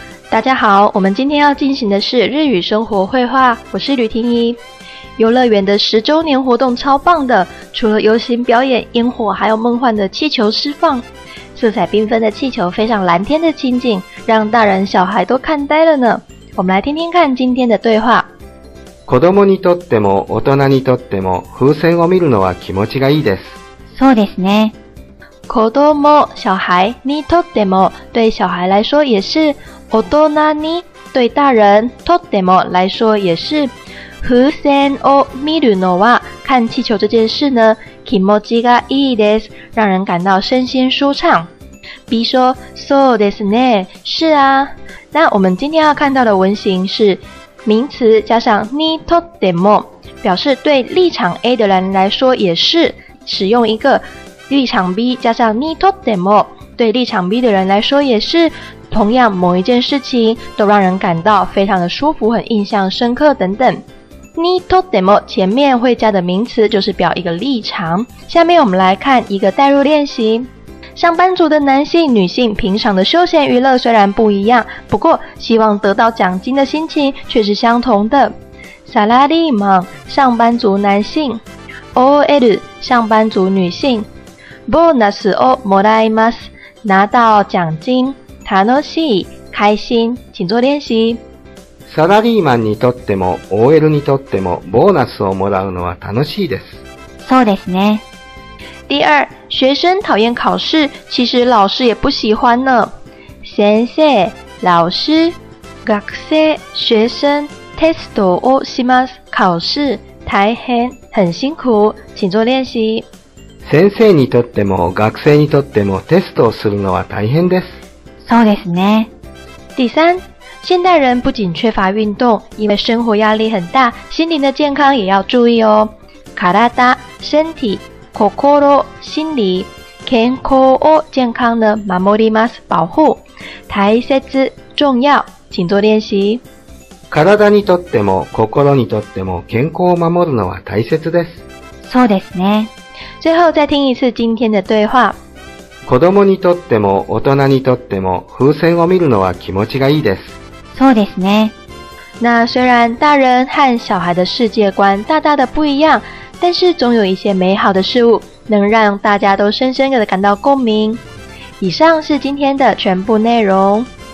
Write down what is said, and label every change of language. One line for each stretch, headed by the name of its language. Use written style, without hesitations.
Chinese: 大家好，我们今天要进行的是日语生活绘画，我是吕婷宜。游乐园的十周年活动超棒的，除了游行表演、烟火，还有梦幻的气球释放，色彩缤纷的气球飞上蓝天的情景，让大人小孩都看呆了呢。我们来听听看今天的对话。
Japanese: 子どもにとっても、大人にとっても、風船を見るのは気持ちがいいです。そうですね。子ども、
Chinese: 小孩、
Japanese: にとっても、
Chinese: 对小孩来说也是。
Japanese: 大人に、
Chinese: 对大人、
Japanese: とっても
Chinese: 来说也是。
Japanese: 風船を見るのは、
Chinese: 看气球这件事呢、
Japanese: 気持ちがいいです。
Chinese: 让人感到身心舒畅。比如说、
Japanese: そうですね。
Chinese: 是啊。那我们今天要看到的文型是、名词加上
Japanese: にとっても，
Chinese: 表示对立场 A 的人来说也是，使用一个立场 B 加上にとっても，对立场 B 的人来说也是，同样某一件事情都让人感到非常的舒服，很印象深刻等等。
Japanese: にとっても
Chinese: 前面会加的名词就是表一个立场。下面我们来看一个代入练习。上班族的男性、女性平常的休闲娱乐虽然不一样，不过希望得到奖金的心情却是相同的。
Japanese: サラリーマン、
Chinese: 上班族男性 OL、上班族女性
Japanese: ボーナスをもらいます、
Chinese: 拿到奖金
Japanese: 楽しい、
Chinese: 开心、请做练习。
Japanese: サラリーマンにとっても、OL にとってもボーナスをもらうのは楽しいです。そうですね。
Chinese: 第二，学生讨厌考试，其实老师也不喜欢呢。先生，老师，学生，学生，
Japanese: テストをします，
Chinese: 考试，
Japanese: 大変，
Chinese: 很辛苦，请做练习。
Japanese: 先生にとっても、学生にとってもテストをするのは大変です。そうですね。
Chinese: 第三，现代人不仅缺乏运动，因为生活压力很大，心灵的健康也要注意哦。体，身体。
Japanese: 心、
Chinese: 心理、
Japanese: 健康を健康呢、守ります、保護。大切、
Chinese: 重要、请做练习。
Japanese: 体にとっても、心にとっても、健康を守るのは大切です。そうですね。最後、
Chinese: 再听一次今天的对话。
Japanese: 子供にとっても、大人にとっても、風船を見るのは気持ちがいいです。そうですね。
Chinese: 那虽然大人和小孩的世界观大大的不一样、但是总有一些美好的事物能让大家都深深地感到共鸣。以上是今天的全部内容。